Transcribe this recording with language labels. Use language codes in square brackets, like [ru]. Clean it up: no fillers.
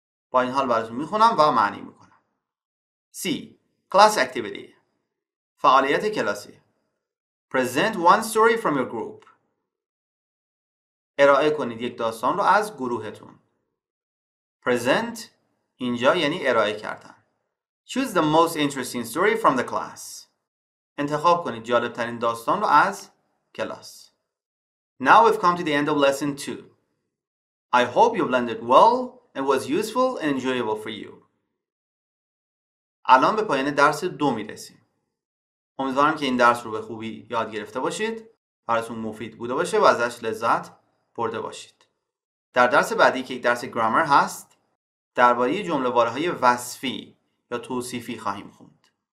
[fa] با این حال براتون میخونم و معنی میکنم. [en] C. Class activity. [fa] فعالیت کلاسی. [en] Present one story from your group. [fa] ارائه کنید یک داستان رو از گروهتون. Present اینجا یعنی ارائه کردن. [en] Choose the most interesting story from the class. [fa] انتخاب کنید جالبترین داستان رو از کلاس. [en] Now we've come to the end of lesson 2. I hope you've learned it well and was useful and enjoyable for you. [fa] الان به پایان درس 2 میرسیم. امیدوارم که این درس رو به خوبی یاد گرفته باشید، براتون مفید بوده باشه و ازش لذت برده باشید. در درس بعدی که یک درس گرامر هست، درباره جمله واره‌های وصفی یا توصیفی خواهیم خوند.